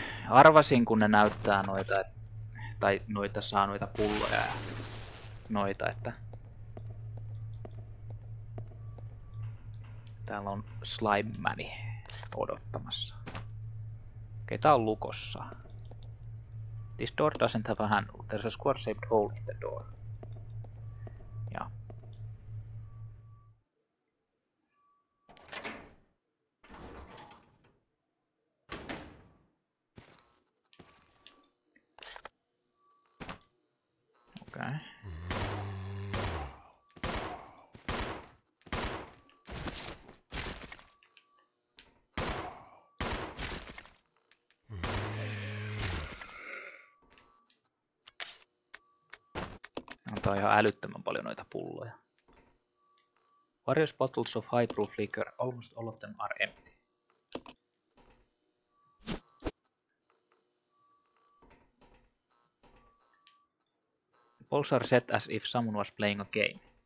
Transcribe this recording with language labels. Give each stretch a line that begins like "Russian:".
Finnish: arvasin, kun ne näyttää noita... tai noita saa noita pulloja ja noita, että... täällä on slime-mäni odottamassa. Okei, tää on lukossa.
English: This door doesn't have a handle. There's a square-shaped hole in the door.
Finnish: Ja. Okei. Tää on ihan älyttömän paljon noita pulloja.
English: Various bottles of high proof liquor, almost all of them are empty. The bowls are set as if someone was playing a game.